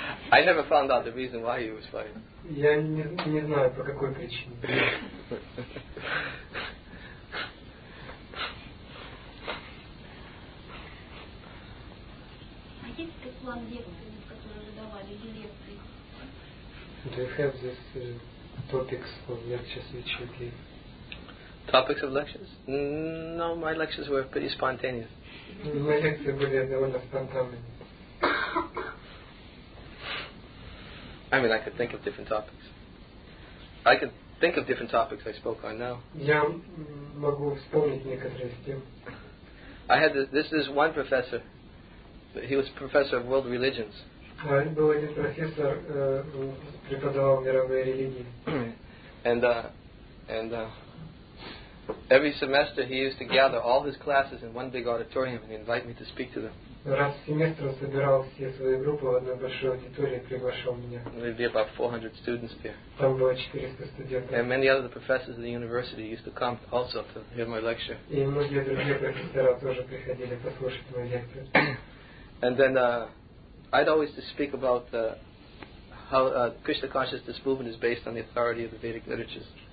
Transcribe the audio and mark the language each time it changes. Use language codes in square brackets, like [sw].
[en] I never found out the reason why he was fired. [ru] Я не знаю, по какой причине. А есть ли план лекций, которые вы давали, или лекции? [en] Do you have these topics of lectures which you gave? Topics of lectures? No, my lectures were pretty spontaneous. [ru] Мои лекции были довольно спонтанными. [en] I mean, I could think of different topics. I could think of different topics I spoke on now. [ru] Я могу вспомнить некоторые из тем. [en] I had this is one professor. He was professor of world religions. [ru] Был один профессор, преподавал мировые религии. [en] And every semester he used to gather all his classes in one big auditorium and invite me to speak to them. [ru] Раз в семестр он собирал все свои группы в одной большой аудитории и приглашал меня. [en] There'd be about 400 students there. [ru] Там было 400 студентов. [en] And many other professors of the university used to come also to hear my lecture. [ru] И многие другие профессора тоже приходили послушать мою лекцию. [en] And then I'd always to speak about how Krishna consciousness movement is based on the authority of the Vedic literatures.